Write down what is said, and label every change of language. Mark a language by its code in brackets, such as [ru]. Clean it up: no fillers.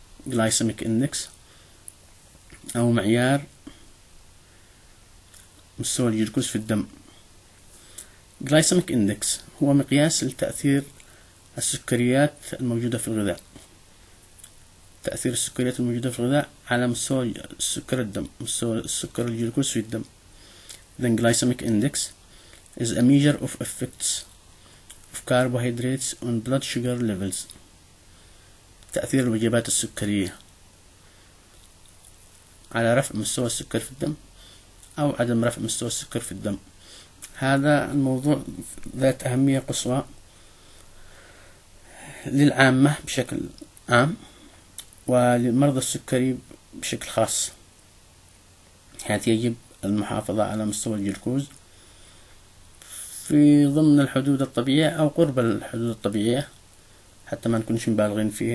[ar] Glycemic Index أو معيار مستوى الجلوكوز في الدم. Glycemic Index هو مقياس لتأثير السكريات الموجودة في الغذاء، تأثير السكريات الموجودة في الغذاء على مستوى سكر الدم، مستوى السكر الجلوكوز في الدم. [en] Then Glycemic Index is a measure of effects of carbohydrates on blood sugar levels. [ar] تأثير الوجبات السكرية على رفع مستوى السكر في الدم أو عدم رفع مستوى السكر في الدم. هذا الموضوع ذات أهمية قصوى للعامة بشكل عام ولمرضى السكري بشكل خاص، حيث يجب المحافظة على مستوى الجلوكوز في ضمن الحدود الطبيعية أو قرب الحدود الطبيعية، حتى ما نكونش مبالغين